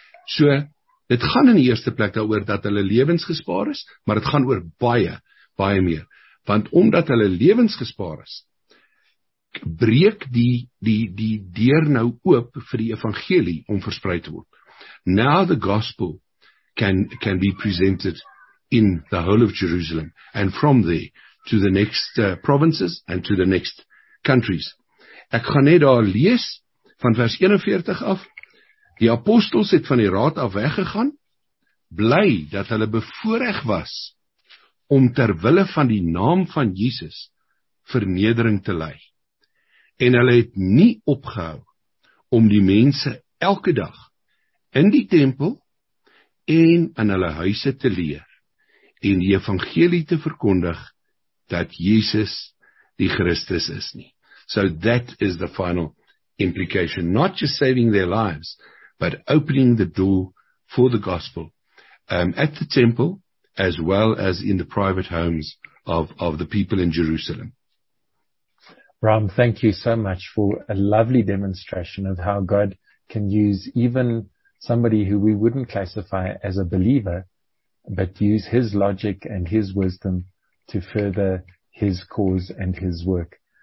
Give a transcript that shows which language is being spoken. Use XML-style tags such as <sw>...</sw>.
<af>So, dit gaan in die eerste plek daaroor dat hulle lewens gespaar is, maar dit gaan oor baie, baie meer. Want omdat hulle lewens gespaar is, breek die deur nou oop vir die evangelie om versprei te word.</af> <en>Now the gospel can be presented in the whole of Jerusalem and from there to the next provinces and to the next countries.</en> <af>Ek gaan net daar lees van vers 41 af. Die apostels het van die raad af weggegaan, bly dat hulle bevoorreg was om ter wille van die naam van Jesus vernedering te lei. En hulle het nie opgehou om die mense elke dag in die tempel en in hulle huise te leer en die evangelie te verkondig dat Jesus die Christus is nie.</af> <en>So that is the final implication, not just saving their lives, but opening the door for the gospel at the temple as well as in the private homes of the people in Jerusalem. Ram, thank you so much for a lovely demonstration of how God can use even somebody who we wouldn't classify as a believer, but use his logic and his wisdom to further his cause and his work.</en>